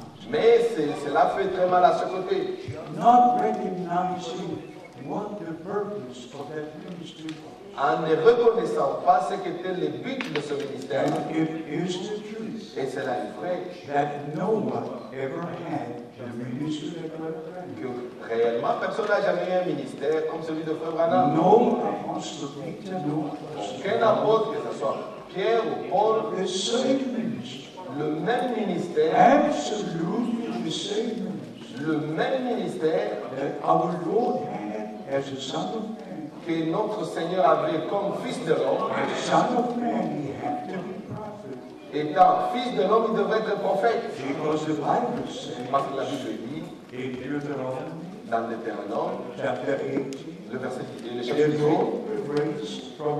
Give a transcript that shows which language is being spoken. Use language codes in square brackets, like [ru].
[fr] Mais cela fait très mal à ce côté. [en] Not recognizing what the purpose of that ministry was. [fr] En ne reconnaissant pas ce qu'était le but de ce ministère. [en] And it is the truth. [fr] Et cela est vrai. [en] That no one ever had the ministry of Brother Branham. [fr] Que réellement personne n'a jamais eu un ministère comme celui de Frère Branham. [en] No apostle Peter, no apostle. [fr] Aucun apôtre, que ce soit Pierre ou Paul. [en] The same ministry. [fr] Le même ministère, [en] absolutely the same. [fr] Le même ministère [en] that our Lord had as a son of man, [fr] que notre Seigneur avait comme fils de l'homme, [en] as son of man, he had to be prophet. [fr] Étant fils de l'homme, il devait être prophète. [en] Because the Bible says, [fr] parce que la Bible dit, [en] in Deuteronomy, [fr] dans l'Éternel, [en] chapter [fr] 18, le verset 18,